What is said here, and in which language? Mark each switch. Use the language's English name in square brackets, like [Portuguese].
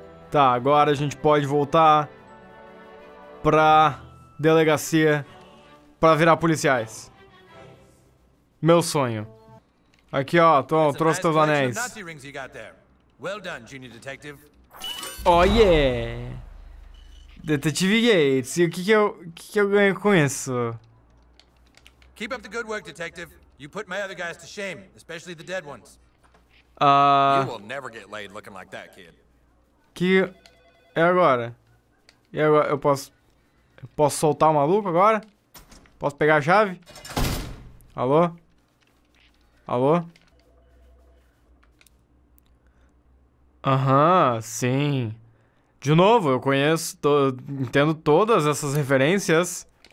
[Portuguese] Tá, agora a gente pode voltar pra delegacia para virar policiais. Meu sonho. Aqui, ó, Tom, trouxe teus anéis. [English] Well done, Junior Detective. Oh, yeah! [Portuguese] Detetive Gates, e o que eu ganho com isso? [English] Keep up the good work, Detective. You put my other guys to shame, especially the dead ones. You will never get laid looking like that, kid. [Portuguese] Que... É agora? E agora, eu posso soltar o maluco agora? Posso pegar a chave? Alô? Alô? Aham, sim. De novo, eu conheço, entendo todas essas referências.